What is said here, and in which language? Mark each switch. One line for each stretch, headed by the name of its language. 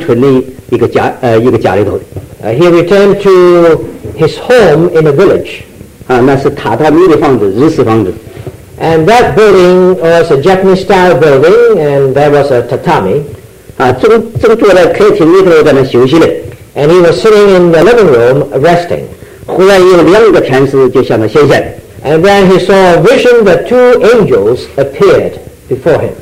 Chinese: 就那一天回到他的一个乡村的一个家里头。
English: He returned to his home in a village.
Chinese: 那是榻榻米的房子，日式房子。
English: And that building was a Japanese style building, and there was a tatami.
Chinese: 正坐在客厅里头在那休息嘞。
English: And he was sitting in the living room resting.
Chinese: 忽然有两个天使就向他显现。
English: And then he saw a vision that two angels appeared before him.